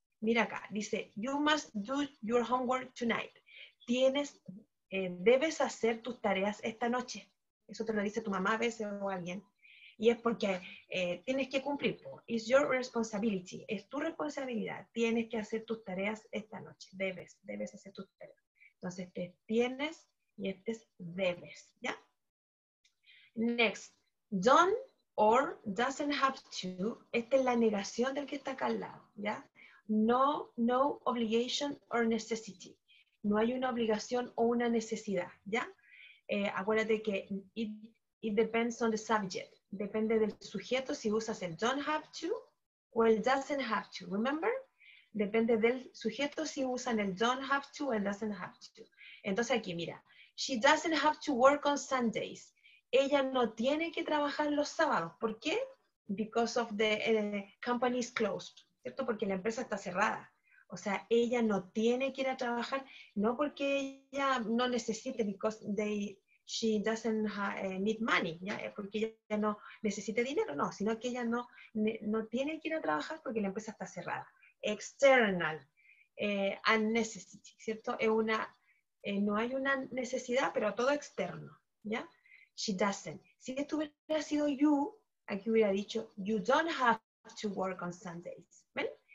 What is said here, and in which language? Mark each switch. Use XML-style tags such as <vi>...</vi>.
<es>Mira acá, dice,</es> <en>you must do your homework tonight.</en> <es>Debes hacer tus tareas esta noche. Eso te lo dice tu mamá a veces o alguien. Y es porque tienes que cumplir.</es> <en>It's your responsibility.</en> <es>Es tu responsabilidad. Tienes que hacer tus tareas esta noche. Debes hacer tus tareas. Entonces, este es tienes y este es debes, ¿ya?</es> <en>Next, don't or doesn't have to,</en> <es>esta es la negación del que está acá al lado, ¿ya?</es> <en>No obligation or necessity.</en> <es>No hay una obligación o una necesidad, ¿ya? Acuérdate que</es> <en>it depends on the subject.</en> <es>Depende del sujeto si usas el don't have to o el doesn't have to,</es> <en>remember?</en> <es>Depende del sujeto si usan el don't have to o el doesn't have to. Entonces aquí, mira.</es> <en>She doesn't have to work on Sundays.</en> <es>Ella no tiene que trabajar los sábados. ¿Por qué?</es> <en>Because of the company is closed.</en> <es>¿Cierto? Porque la empresa está cerrada. O sea, ella no tiene que ir a trabajar. No porque ella no necesite,</es> <en>because she doesn't need money.</en> <es>¿Ya? Porque ella no necesite dinero, no. Sino que ella no tiene que ir a trabajar porque la empresa está cerrada.</es> <en>External, unnecessary, ¿cierto?</en> <es>No hay una necesidad, pero todo externo, ¿ya?</es> <en>She doesn't.</en> <es>Si esto hubiera sido</es> <en>you,</en> <es>aquí hubiera dicho,</es> <en>you don't have to work on Sundays,</en> <es>¿ven?</es>